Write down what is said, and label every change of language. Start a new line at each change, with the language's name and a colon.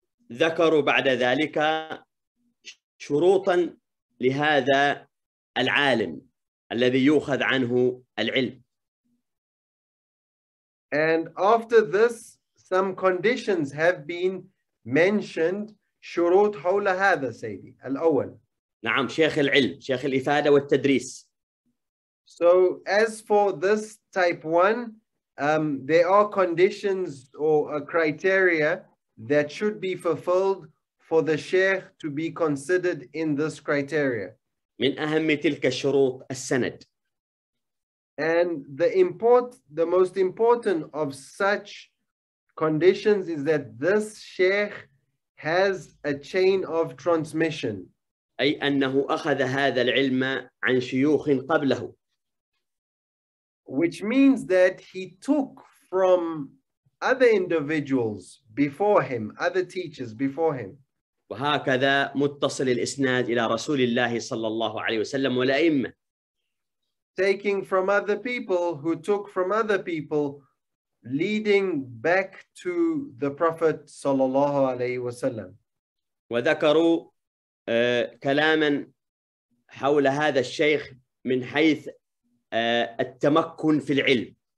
Arabic: وذكروا بعد ذلك شروطا لهذا العالم الذي يؤخذ عنه العلم.
English: And after this, some conditions have been mentioned.
Arabic: شروط حول هذا سيدي الأول. نعم شيخ العلم شيخ الإفادة والتدريس.
English: So as for this type one, there are conditions or a criteria that should be fulfilled for the sheikh to be considered in this criteria.
Arabic: من أهم تلك الشروط السند.
English: And the most important of such conditions is that this sheikh has a chain of transmission.
Arabic: أي أنه أخذ هذا العلم عن شيوخ قبله.
English: Which means that he took from other individuals before him, other teachers before him.
Arabic: وهكذا متصل الإسناد إلى رسول الله صلى الله عليه وسلم والأئمة.
English: Taking from other people who took from other people, leading back to the Prophet
Arabic: صلى الله عليه وسلم. وذكروا كلاما حول هذا الشيخ من حيث التمكن في العلم